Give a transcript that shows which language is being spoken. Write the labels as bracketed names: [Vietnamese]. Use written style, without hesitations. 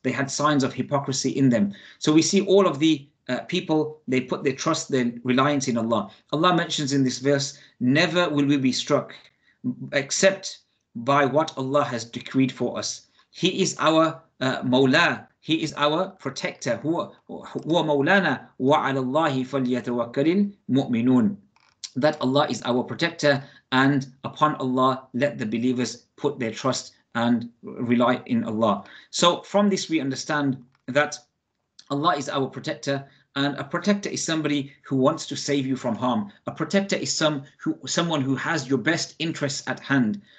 [English] They had signs of hypocrisy in them. So we see all of the people, they put their trust, their reliance in Allah. Allah mentions in this verse, never will we be struck except by what Allah has decreed for us. He is our Mawla. He is our protector. [Arabic] هو مولانا وعلى الله فليتوكل المؤمنون. [English] That Allah is our protector, and upon Allah, let the believers put their trust and rely in Allah. So from this, we understand that Allah is our protector, and a protector is somebody who wants to save you from harm. A protector is someone who has your best interests at hand.